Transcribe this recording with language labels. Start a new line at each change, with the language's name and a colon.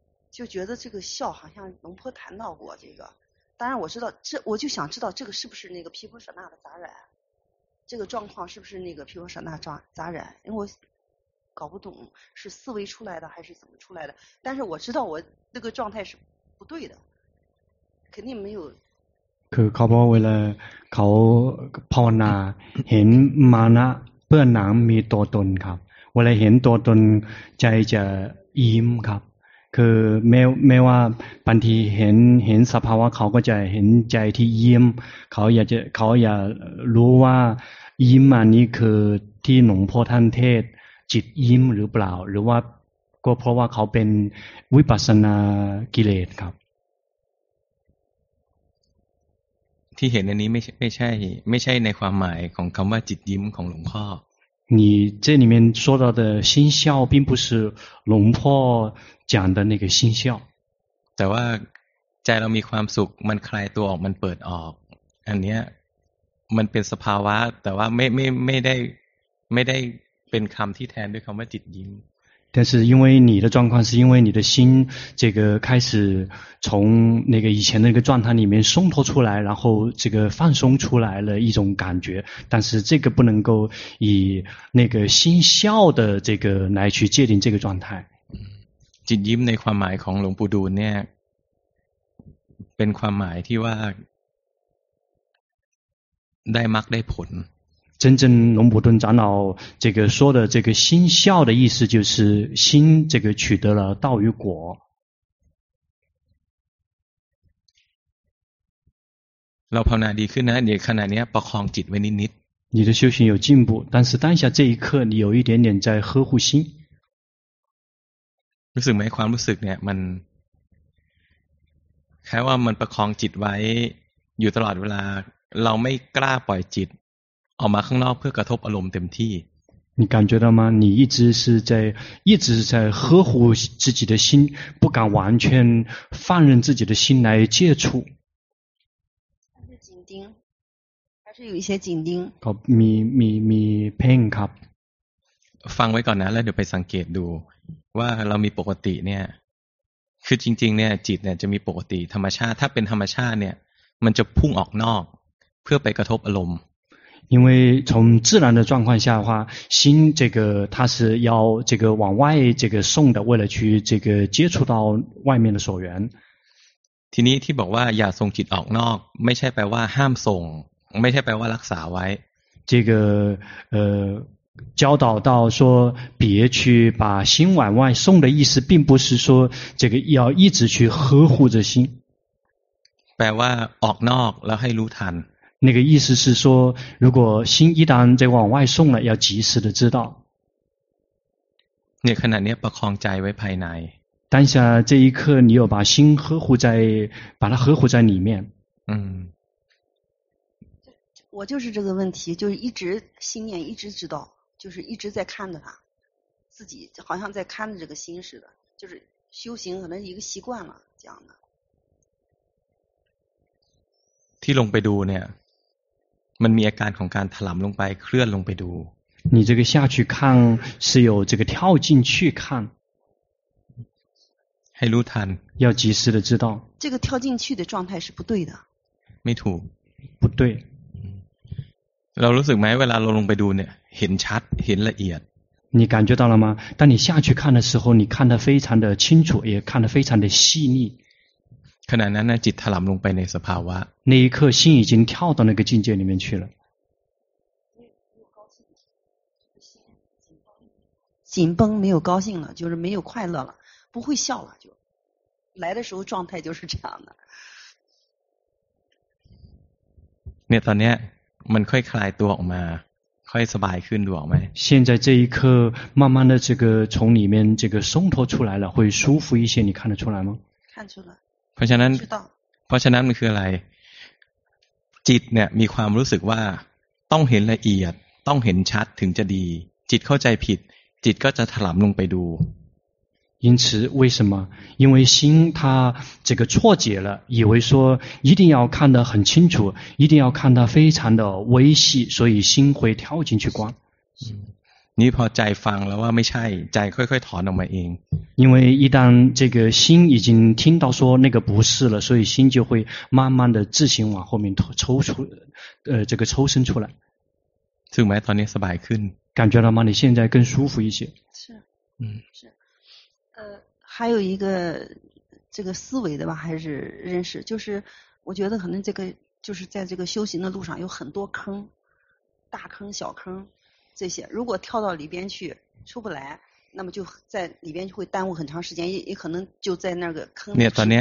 Chinese: 就觉得这个笑好像龙坡谈到过这个，当然我知道这，我就想知道这个是不是那个毗婆舍那的杂染，这个状况是不是那个毗婆舍那杂染，因为我搞不懂是思维出来的还是怎么出来的，但是我知道我那个状态是不对的，肯定没有。
Thai: คือเขาบอกเวลาเขาภาวนาเห็นมานะเปื้อนหนังมีตัวตนครับเวลาเห็นตัวตนใจจะยิ้มครับคือไม่ว่าบางทีเห็นสภาวะเขาก็จะเห็นใจที่ยิ้มเขาอยากรู้ว่ายิ้มมานี้คือที่หลวงพ่อท่านเทศจิตยิ้มหรือเปล่าหรือว่าก็เพราะว่าเขาเป็นวิปัสสนากิเลสครับ ที่เห็นอันนี้ไม่ใช่ในความหมายของคำว่าจิตยิ้มของหลวงพ่อ
Chinese: 你这里面说到的心笑并不是龙破讲的那个心笑
Thai: แต่ว่าใจเรามีความสุขมันคลายตัวออกมันเปิดออกอันเนี้ยมันเป็นสภาวะแต่ว่าไม่ได้เป็นคำที่แทนด้วยคำว่าจิตยิ้ม
Chinese: 但是因为你的状况是因为你的心这个开始从那个以前的那个状态里面松脱出来，然后这个放松出来了一种感觉，但是这个不能够以那个心笑的这个来去界定这个状态。
Thai: จิตยิ้มในความหมายของหลวงปู่ดูลย์เนี่ยเป็นความหมายที่ว่าได้มรรคได้ผล
Chinese: 真正龙普顿长老这个说的这个心笑的意思就是心这个取得了道与果。
Thai: เราภาวนาดีขึ้นนะเดี๋ยวขณะนี้ประคองจิตไว้นิด
Chinese: ๆ你的修行有进步但是当下这一刻你有一点点在呵护心
Thai: รู้สึกไหมความรู้สึกเนี่ยมันแค่ว่ามันประคองจิตไว้อยู่ตลอดเวลาเราไม่กล้าปล่อยจิตออกมาข้างนอกเพื่อกระทบอารมณ์เต็มที่
Chinese: 你感觉到吗你一直在呵护自己的心不敢完全放任自己的心来接触还是有一些紧盯
Thai: ก็มี pain ครับ ฟังไว้ก่อนนะแล้วเดี๋ยวไปสังเกตดูว่าเรามีปกติเนี่ยคือจริงๆเนี่ยจิตเนี่ยจะมีปกติธรรมชาติถ้าเป็นธรรมชาติเนี่ยมันจะพุ่งออกนอก พื่อไปกระทบอารมณ์
Chinese: 因为从自然的状况下的话，心这个它是要这个往外这个送的，为了去这个接触到外面的所缘。
Thai: ทีนี้ที่บอกว่าอย่าส่งจิตออกนอกไม่ใช่แปลว่าห้ามส่งไม่ใช่แปลว่ารักษาไว้。
Chinese: 这个教导到说别去把心往外送的意思，并不是说这个要一直去呵护着心。
Thai: แปลว่าออกนอกแล้วให้รู้ทัน。
Chinese: 那个意思是说，如果心一旦在往外送了，要及时的知道。你看到你把控在外派内，当下这一刻，你有把心呵护在，把它呵护在里面。嗯，我就是这个问题，就是一直心念一直知道，就是一直在看着它，自己好像在看着这个心似的，就是修行可能一个习惯了这样的。
Thai: ที่ลงไปดูเนี่ยมันมีอาการของการถลำลงไปเคลื่อนลงไปดู
Chinese: 你这个下去看是有这个跳进去看
Thai: ให้รู้ทัน
Chinese: 要及时的知道这个跳进去的状态是不对的
Thai: ไม่ถูก
Chinese: 不对
Thai: เรารู้สึกไหมเวลาเราลงไปดูเนี่ยเห็นชัดเห็นละเอียด
Chinese: 你感觉到了吗当你下去看的时候你看得非常的清楚也看得非常的细腻
Thai: ขณะนั้นนะจิตถลำลงไปในสภาวะ
Chinese: 那一刻心已经跳到那个境界里面去了紧绷没有高兴了就是没有快乐了不会笑了就来的时候状态就是这样的
Thai: เนี่ยตอนนี้มันค่อยคลายตัวออกมาค่อยสบายขึ้นดูออกไหม
Chinese: 现在这一刻慢慢的这个从里面这个松脱出来了会舒服一些你看得出来吗看出来
Thai: เพราะฉะนั้นมันคืออะไรจิตเนี่ยมีความรู้สึกว่าต้องเห็นละเอียดต้องเห็นชัดถึงจะดีจิตเข้าใจผิดจิตก็จะถลำลงไปดู
Chinese: 因此为什么因为心它这个错解了以为说一定要看得很清楚一定要看得非常的微细所以心会跳进去观
Thai: นี่พอใจฟังแล้วว่าไม่ใช่ใจค่อยๆถอนออกมาเอง
Chinese: 因为一旦这个心已经听到说那个不是了所以心就会慢慢的自行往后面抽出这个抽身出来
Thai: ถึงไหมตอนนี้สบายขึ้น
Chinese: 感觉了吗你现在更舒服一些是还有一个这个思维的吧还是认识就是我觉得可能这个就是在这个修行的路上有很多坑大坑小坑这些如果跳到里边去出不来那么就在里边就会耽误很长时间 也可能就在那个坑里吃